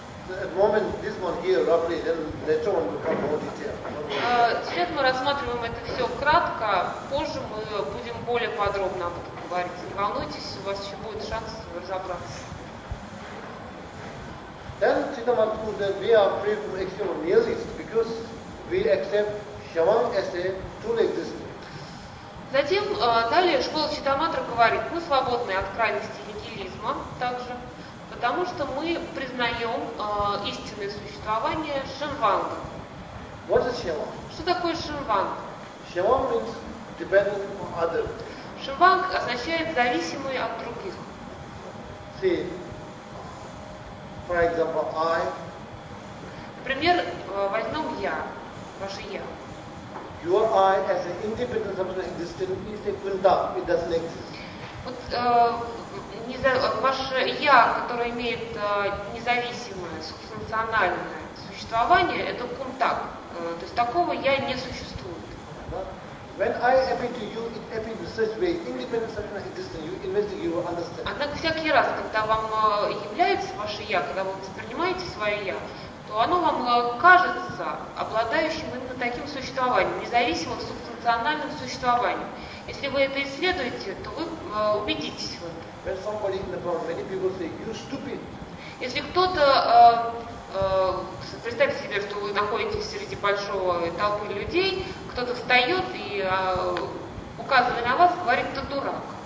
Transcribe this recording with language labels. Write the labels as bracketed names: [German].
[English] At the moment, this one here, roughly, then later on will come more detail. [Russian] Сейчас мы рассматриваем это все кратко, позже мы будем более подробно об этом говорить. Не волнуйтесь, у вас еще будет шанс разобраться. [English] Then Читаматра says that we are free from extremal nihilism because we accept Shaman as a truly existing. [Russian] Затем далее школа Читаматра говорит, мы свободны от крайности нигилизма также, потому что мы признаем истинное существование Шинванга. [English] What is Шинванг? [Russian] Что такое Шинванг? [English] Шинванг means dependent on others. [Russian] Шинванг означает зависимый от других. [English] See, for example, I. [Russian] Например, возьмем я, ваше я. [English] Your I as an independent substance existing is a quinta, it doesn't exist. [Russian] Вот ваше я, которое имеет независимое субстанциональное существование, это кунтак. То есть такого я не существует. [English] When I appear to you, it appears in such way, independent substance existing, you investigate, you will understand. [Russian] Однако всякий раз, когда вам является ваше я, когда вы воспринимаете свое я, то оно вам кажется обладающим именно таким существованием, независимым субстанциональным существованием. Если вы это исследуете, то вы убедитесь в этом. [English] When somebody in the world, many people say, you're stupid. [Russian] Если кто-то, представьте себе, что вы находитесь среди большого толпы людей, кто-то встает и, указывая на вас, говорит, ты дурак.